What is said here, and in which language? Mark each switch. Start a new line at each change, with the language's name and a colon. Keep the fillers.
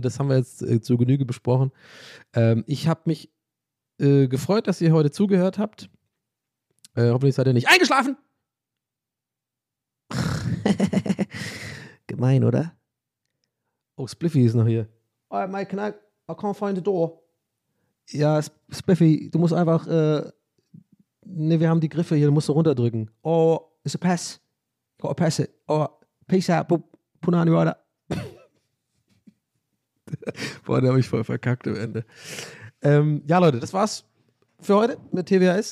German: Das haben wir jetzt äh, zu Genüge besprochen. Ähm, ich habe mich äh, gefreut, dass ihr heute zugehört habt. Äh, hoffentlich seid ihr nicht eingeschlafen. Gemein, oder? Oh, Spliffy ist noch hier.
English: Oh, Mike, can I, I can't find the door.
German: Ja, Sp- Spliffy, du musst einfach. Äh, ne, wir haben die Griffe hier, du musst du runterdrücken.
English: Oh, it's a pass. Got to pass it. Oh, peace out. Pu- Punani Rider.
German: Boah, da habe ich voll verkackt am Ende. Ähm, ja, Leute, das war's für heute mit TWS.